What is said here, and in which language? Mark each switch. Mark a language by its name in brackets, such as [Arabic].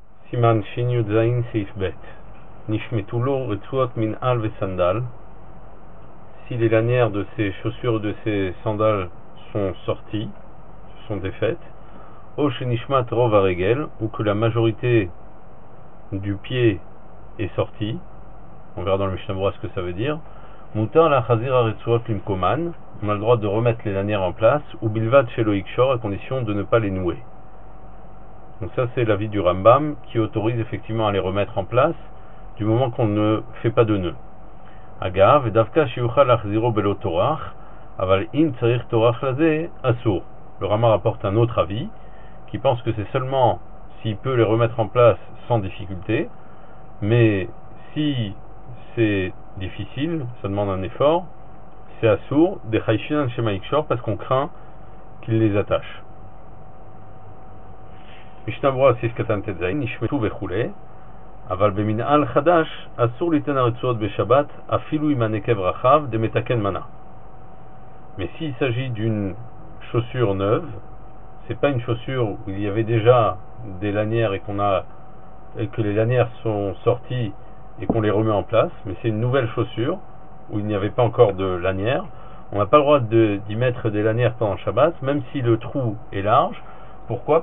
[Hebrew] סימן שי"ז סעיף ב' נשמטו לו רצועות מנעל וסנדל. [French] Si les lanières de ses chaussures, de ses sandales sont sorties, sont défaites, [Hebrew] au shenishmat rov aregel, [French] ou que la majorité du pied est sortie, on verra dans le Mishnah Berurah ce que ça veut dire, [Hebrew] mutar la chazir aretzuot limkoman, [French] on a le droit de remettre les lanières en place, ou [Hebrew] bilvat shelo ikshor, [French] à condition de ne pas les nouer. Donc ça c'est l'avis du Rambam, qui autorise effectivement à les remettre en place, du moment qu'on ne fait pas de nœuds. [Hebrew] אגב, ודווקא שיוכל להחזירו בלא תורח, אבל אם צריך תורח לזה, אסור. [French] Le Rama rapporte un autre avis, qui pense que c'est seulement s'il peut les remettre en place sans difficulté, mais si c'est difficile, ça demande un effort, c'est assur, [Hebrew] d'echaïshinan shemaïkshor, [French] parce qu'on craint qu'il les attache. [Hebrew] Mishnah Berurah 6 katan tetzain, nishmetu vechoulé. אבל במנעל חדש אסור ליתן הרצועות בשבת אפילו עם הנקב רחב דמתקן מנה. [French] Mais s'il s'agit d'une chaussure neuve, c'est pas une chaussure où il y avait déjà des lanières et que les lanières sont sorties et qu'on les remet en place, mais c'est une nouvelle chaussure où il n'y avait pas encore de lanières, on n'a pas le droit d'y mettre des lanières pendant Shabbat, même si le trou est large. Pourquoi?